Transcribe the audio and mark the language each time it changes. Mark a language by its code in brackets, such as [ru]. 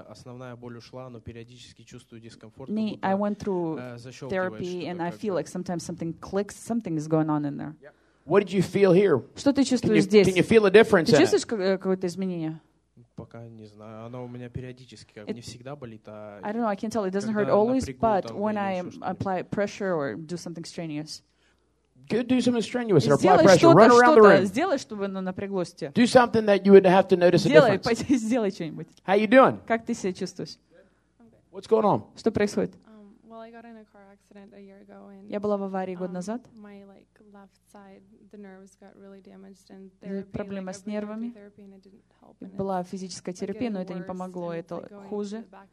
[ru] Основная боль ушла, но периодически чувствую дискомфорт. [en] Не, I went through therapy and I feel like sometimes something clicks. Something is going on in there. Yep. What did you feel here? [ru] Что ты чувствуешь здесь? [en] Can you feel a difference? [ru] Ты чувствуешь какое-то изменение? Пока не знаю. Оно у меня периодически, как не всегда болит, а [en] I don't know, I can't tell. It doesn't hurt always, but when I apply pressure or do something strenuous. Good, do something strenuous or apply pressure. Run around the room. [ru] Сделай что-то, чтобы оно напряглось тебя. [en] Do something that you would have to notice a difference. [ru] Сделай что-нибудь. [en] How you doing? [ru] Как ты себя чувствуешь? [en] What's going on? [ru] Что происходит? [en] Well, I got in a car accident a year ago, and [ru] я была в аварии год назад. [en] My like left side, the nerves got really damaged, and therapy, [ru] с нервами. Была физическая терапия, но это не помогло, это хуже.